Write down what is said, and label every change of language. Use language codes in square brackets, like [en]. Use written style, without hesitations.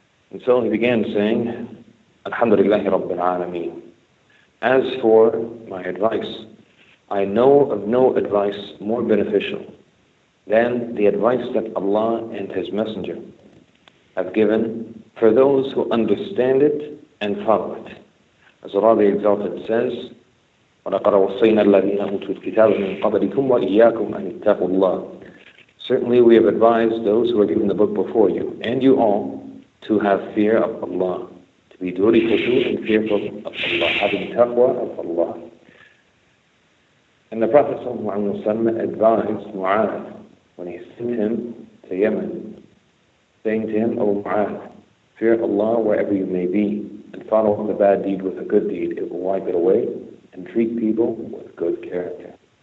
[en] And so he began saying, Alhamdulillahi Rabbil Alameen. As for my advice, I know of no advice more beneficial than the advice that Allah and His Messenger have given for those who understand it and follow it. As Allah the Exalted says, [ar] وَلَقَدْ وَصَّيْنَا الَّذِينَ أُوتُوا الْكِتَابَ مِنْ قَبْلِكُمْ وَإِيَّاكُمْ أَنْ اتَّقُوا اللَّهَ. [en] Certainly we have advised those who are given the book before you and you all to have fear of Allah, to be duly khushu' and fearful of Allah, having taqwa of Allah. And the Prophet ﷺ advised Mu'adh when he sent him to Yemen, saying to him, O Mu'adh, fear Allah wherever you may be, and follow the bad deed with a good deed, it will wipe it away, and treat people with good character.